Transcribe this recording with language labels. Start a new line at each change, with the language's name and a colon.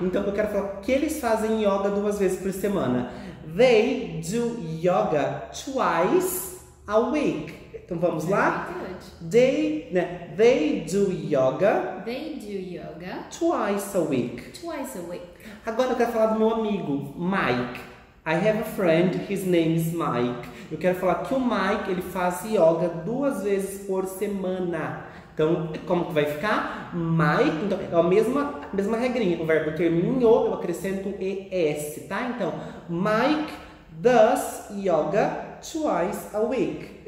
Portuguese: Então eu quero falar que eles fazem yoga 2 vezes por semana.
English: They do yoga twice a week.
Portuguese: Então vamos lá.
English: They do yoga. They do yoga. Twice a week. Twice a week.
Portuguese: Agora eu quero falar do meu amigo, Mike.
English: I have a friend, his name is Mike.
Portuguese: Eu quero falar que o Mike, ele faz yoga duas vezes por semana. Então, como que vai ficar? Mike, então, é a mesma regrinha. O verbo terminou, eu acrescento ES, tá? Então,
English: Mike does yoga twice a week.